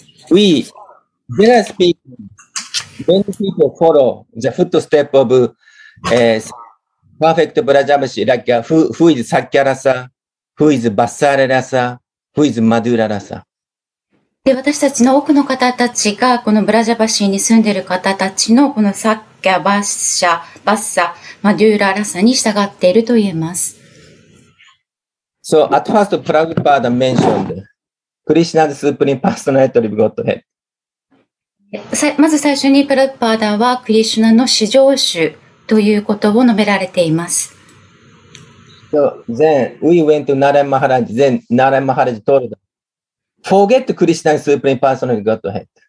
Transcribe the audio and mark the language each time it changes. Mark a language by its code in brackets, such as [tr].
[en] We,Generally speaking, many people follow the footstep of perfect Brajavasi, like who is Sakyarasa, who is Vatsalarasa, who is Madhurarasa. [ja] で、私たちの多くの方たちが、このブラジャバシに住んでいる方たちの、このサッキャ、バッシャ、バッサ、マデューララサに従っていると言えます。 [en] So, at first, Prabhupada mentioned Krishna's Supreme Personality of Godhead. [ja] まず最初にプラッパーダはクリシュナの至上主ということを述べられています。 [en] So, then we went to Narayan Maharaj, then Narayan Maharaj told us, forget Krishna's Supreme Personality Godhead.